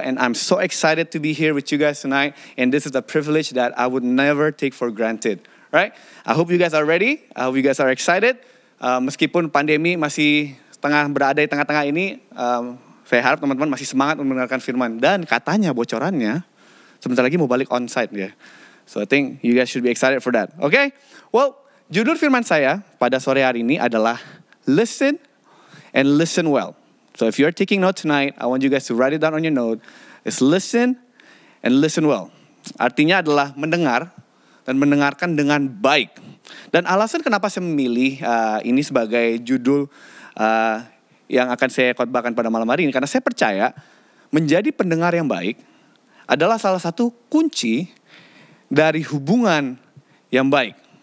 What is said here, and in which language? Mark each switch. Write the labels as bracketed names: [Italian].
[English] And I'm so excited to be here with you guys tonight. And this is a privilege that I would never take for granted, right? I hope you guys are ready. I hope you guys are excited. [Indonesian] Meskipun pandemi masih tengah berada di tengah-tengah ini, saya harap teman-teman masih semangat mendengarkan firman. Dan katanya bocorannya, sebentar lagi mau balik onsite ya. [English] So I think you guys should be excited for that. Okay? [Indonesian] Well, judul firman saya pada sore hari ini adalah Listen and Listen Well. [English] So if you're taking notes tonight, I want you guys to write it down on your note. It's Listen and Listen Well. [Indonesian] Artinya adalah mendengar dan mendengarkan dengan baik. Dan alasan kenapa saya memilih ini sebagai judul yang akan saya khotbahkan pada malam hari ini, karena saya percaya menjadi pendengar yang baik adalah salah satu kunci dari hubungan yang baik.